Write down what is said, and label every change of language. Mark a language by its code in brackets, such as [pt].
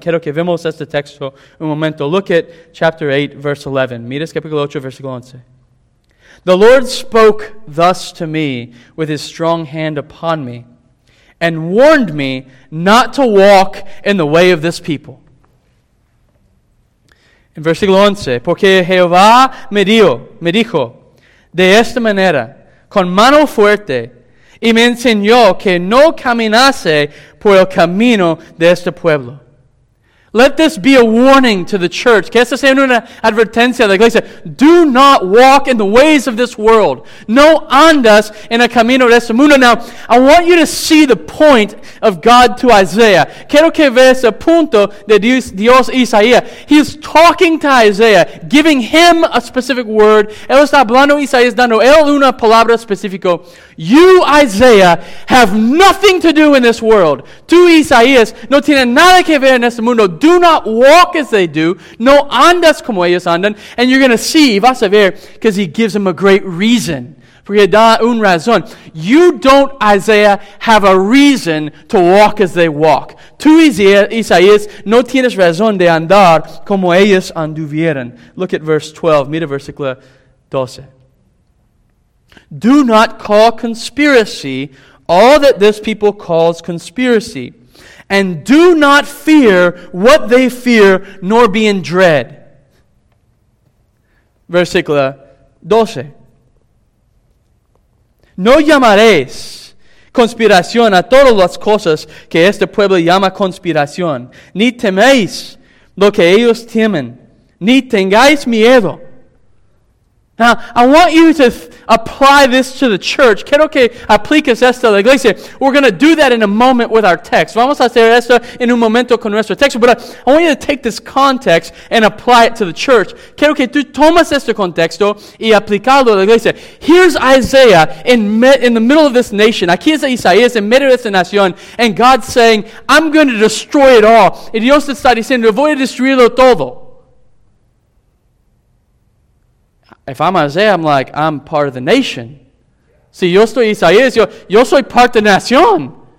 [es] Quiero que vemos este texto un momento. [en] Look at chapter 8, verse 11. [es] Mires capítulo 8, versículo 11. [en] The Lord spoke thus to me with his strong hand upon me and warned me not to walk in the way of this people. [es] In versículo 11, porque Jehová me dijo de esta manera, con mano fuerte, y me enseñó que no caminase por el camino de este pueblo. [en] Let this be a warning to the church. [es] Que esta sea una advertencia de la iglesia. [en] Do not walk in the ways of this world. [es] No andas en el camino de este mundo. [en] Now, I want you to see the point of God to Isaiah. [es] Quiero que veas el punto de Dios Isaías. [en] He's talking to Isaiah, giving him a specific word. [es] Él está hablando a Isaías, dando él una palabra específica. [en] You, Isaiah, have nothing to do in this world. [es] Tú, Isaías, no tiene nada que ver en este mundo. [en] Do not walk as they do. [es] No andas como ellos andan. [en] And you're going to see, [es] vas a ver, [en] because he gives them a great reason. [es] Porque da un razón. [en] You don't, Isaiah, have a reason to walk as they walk. [es] Tú, Isaías, no tienes razón de andar como ellos anduvieron. [en] Look at verse 12. [es] Mira versículo 12. [en] Do not call conspiracy all that this people calls conspiracy. And do not fear what they fear, nor be in dread. [es] Versículo 12. No llamaréis conspiración a todas las cosas que este pueblo llama conspiración. Ni teméis lo que ellos temen. Ni tengáis miedo. [en] Now, I want you to apply this to the church. [es] Quiero que apliques esto a la iglesia. [en] We're going to do that in a moment with our text. [es] Vamos a hacer esto en un momento con nuestro texto. [en] But I want you to take this context and apply it to the church. [es] Quiero que tú tomas este contexto y aplicarlo a la iglesia. [en] Here's Isaiah in the middle of this nation. [es] Aquí es Isaías en medio de esta nación. [en] And God's saying, I'm going to destroy it all. [es] Y Dios está diciendo, voy a destruirlo todo. [en] If I'm Isaiah, I'm like, I'm part of the nation. [es] Si yo estoy Isaías, yo soy parte de la nación.